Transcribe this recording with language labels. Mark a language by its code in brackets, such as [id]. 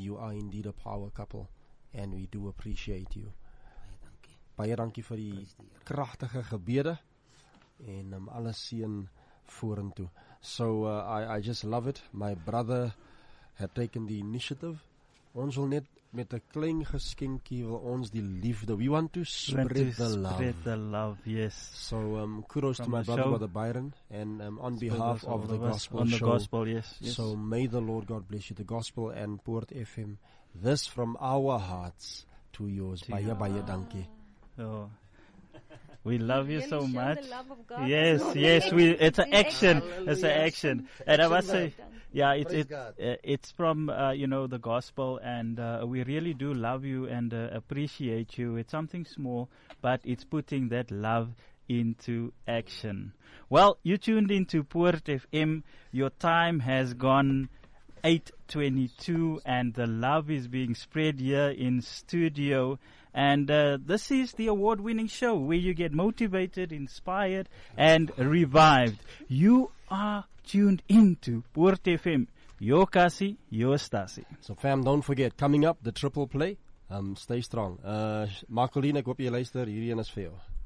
[en] You are indeed a power couple and we do appreciate you. [af] Baie dankie vir die kragtige gebede en alles seën vorentoe. [en] So I just love it. My brother had taken the initiative. [af] Ons wil net met 'n klein geskenkie wil ons die liefde. [en] We want to spread the love. Yes. So kudos from to my brother, Brother Byron, and on so behalf of the gospel on show. On the gospel, yes. So may the Lord God bless you. The gospel and Poort FM. This from our hearts to yours. [af] Baie baie dankie. [en] We love you so much. The love of God. Yes, yes. It's an action. It's an action. And I must say, yeah, it's from the gospel, and we really do love you and appreciate you. It's something small, but it's putting that love into action. Well, you tuned into Poort FM. Your time has gone 8:22, and the love is being spread here in studio. And this is the award-winning show where you get motivated, inspired, and revived. You are tuned into Poort FM. Yo Kasi, yo Stasi. So fam, don't forget, coming up, the triple play. Stay strong. [af] Marcolina, ek hoop jy luister, hierdie een is vir jou.